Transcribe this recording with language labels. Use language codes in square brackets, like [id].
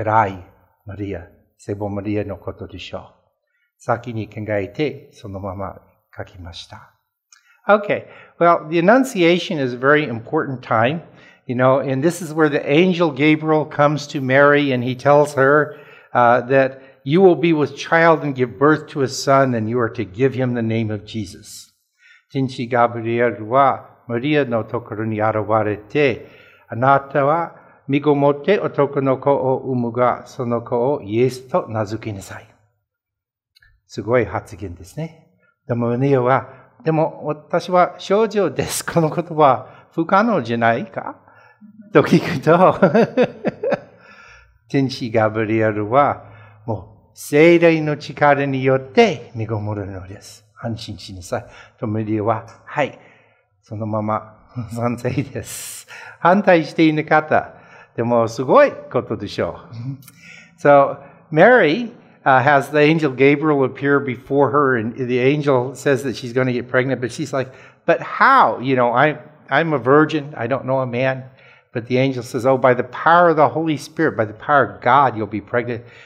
[ja] 偉いマリア、聖母マリアのことでしょう。先に考えて、そのまま書きました。 [en] Okay. Well, the Annunciation is a very important time, you know, and this is where the angel Gabriel comes to Mary and he tells her, that you will be with child and give birth to a son and you are to give him the name of Jesus. [ja] 天使ガブリエルはマリアのところに現れて、あなたは身ごもって男の子を産むが、その子をイエスと名付けなさい。すごい発言ですね。でもマリアは、でも私は少女です。この言葉不可能じゃないかと聞くと、天使ガブリエルは、もう聖霊の力によって身ごもるのです。安心しなさい。とマリアは、はい。そのまま、賛成です。反対していなかった。でも、すごいことでしょう。 [en] So, Mary, has the angel Gabriel appear before her, and the angel says that she's going to get pregnant, but she's like, but how? You know, I'm a virgin, I don't know a man. But the angel says, oh, by the power of the Holy Spirit, by the power of God, you'll be pregnant.